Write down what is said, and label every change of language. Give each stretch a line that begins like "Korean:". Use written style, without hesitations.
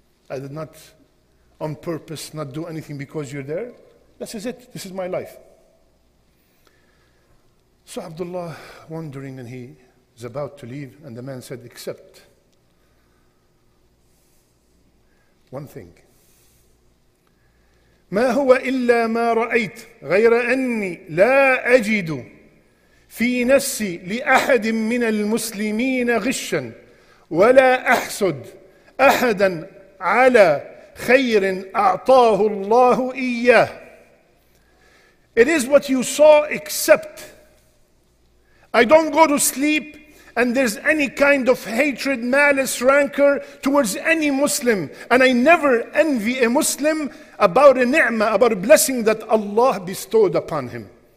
English: I did not on purpose not do anything because you're there. This is it. This is my life. So Abdullah wondering, and he is about to leave, and the man said, except one thing.
Arabic: ما هو إلا ما رأيت غير أني لا أجد في نفسي لأحد من المسلمين غشا ولا أحسد أحدا على خير أعطاه الله إياه.
English: It is what you saw, except I don't go to sleep and there's any kind of hatred, malice, rancor towards any Muslim. And I never envy a Muslim about a ni'mah, about a blessing that Allah bestowed upon him.